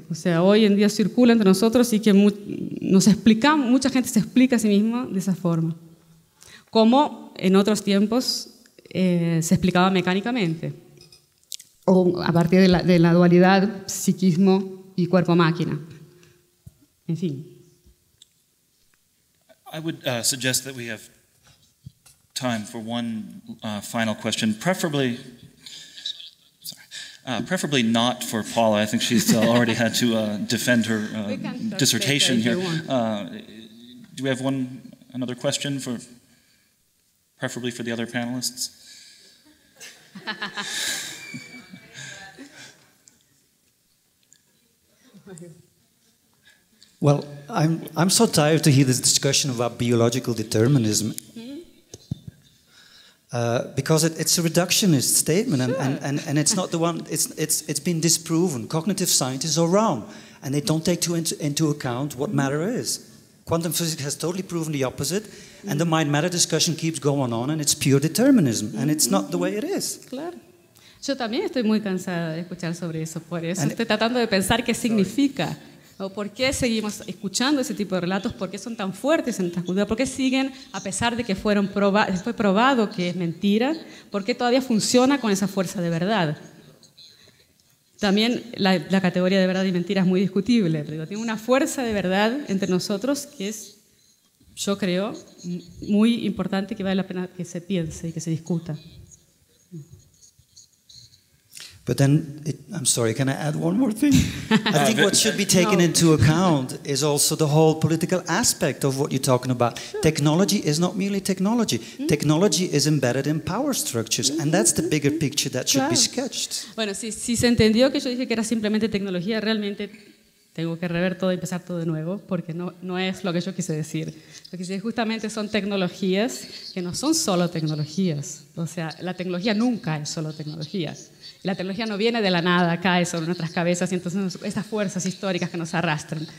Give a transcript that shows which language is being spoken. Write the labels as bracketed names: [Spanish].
[Spanish] O sea, hoy en día circula entre nosotros y que nos explicamos, mucha gente se explica a sí misma de esa forma. Como en otros tiempos se explicaba mecánicamente. O a partir de la dualidad psiquismo y cuerpo-máquina. En fin. [English] I would suggest that we have time for one final question, preferably not for Paula. I think she's already had to defend her dissertation here. Do we have another question for, preferably for the other panelists? Well, I'm so tired to hear this discussion about biological determinism. Because it's a reductionist statement, and, sure. and it's not the one. It's been disproven. Cognitive scientists are wrong, and they don't take into account what matter is. Quantum physics has totally proven the opposite, and the mind matter discussion keeps going on, and it's pure determinism, and it's not the way it is. [Spanish] Claro, yo también estoy muy cansada de escuchar sobre eso. Por eso and estoy tratando de pensar qué significa. [English] Sorry. [Spanish] ¿O por qué seguimos escuchando ese tipo de relatos? ¿Por qué son tan fuertes en nuestra cultura? ¿Por qué siguen, a pesar de que fue probado que es mentira, por qué todavía funciona con esa fuerza de verdad? También la categoría de verdad y mentira es muy discutible, pero tiene una fuerza de verdad entre nosotros que es, yo creo, muy importante, que vale la pena que se piense y que se discuta. [English] But then, I'm sorry, can I add one more thing? I think what should be taken into account is also the whole political aspect of what you're talking about. Sure. Technology is not merely technology. Mm-hmm. Technology is embedded in power structures, mm-hmm. and that's the bigger picture that should [Spanish] claro. [English] be sketched. [Spanish] Bueno, si se entendió que yo dije que era simplemente tecnología, realmente tengo que rever todo y empezar todo de nuevo, porque no es lo que yo quise decir. Lo que dije justamente son tecnologías que no son solo tecnologías. O sea, la tecnología nunca es solo tecnología. La tecnología no viene de la nada, cae sobre nuestras cabezas y entonces esas fuerzas históricas que nos arrastran.